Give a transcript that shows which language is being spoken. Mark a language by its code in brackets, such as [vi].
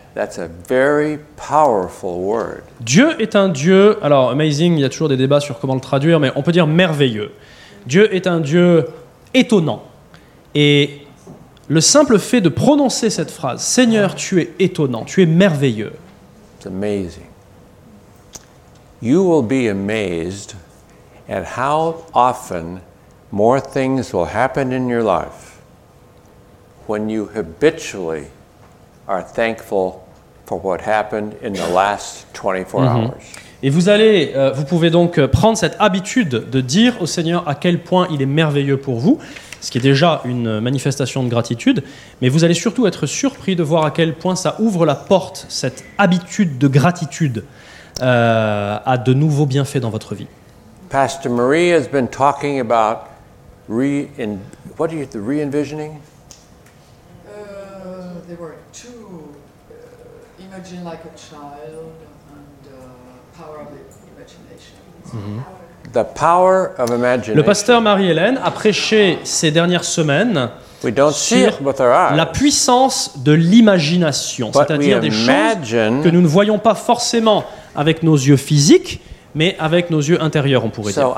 [en] That's a very powerful word. [fr] Dieu est un Dieu, alors amazing, il y a toujours des débats sur comment le traduire, mais on peut dire merveilleux. Dieu est un Dieu étonnant. Et le simple fait de prononcer cette phrase, Seigneur, tu es étonnant, tu es merveilleux. [en] It's amazing. You will be amazed at how often more things will happen in your life when you habitually are thankful for what happened in the last 24 mm-hmm. hours. [fr] Et vous allez vous pouvez donc prendre cette habitude de dire au Seigneur à quel point il est merveilleux pour vous, ce qui est déjà une manifestation de gratitude, mais vous allez surtout être surpris de voir à quel point ça ouvre la porte, cette habitude de gratitude à de nouveaux bienfaits dans votre vie. [en] Pastor Marie has been talking about re-envisioning. There were two imagine like a child and power of the imagination. Mm-hmm. The power of imagination. [fr] Le pasteur Marie-Hélène a prêché ces dernières semaines [en] we don't [fr] sur [en] see it with our eyes. [fr] La puissance de l'imagination, [en] But [fr] c'est-à-dire des choses que nous ne voyons pas forcément avec nos yeux physiques, mais avec nos yeux intérieurs, on pourrait [en] so [fr] dire.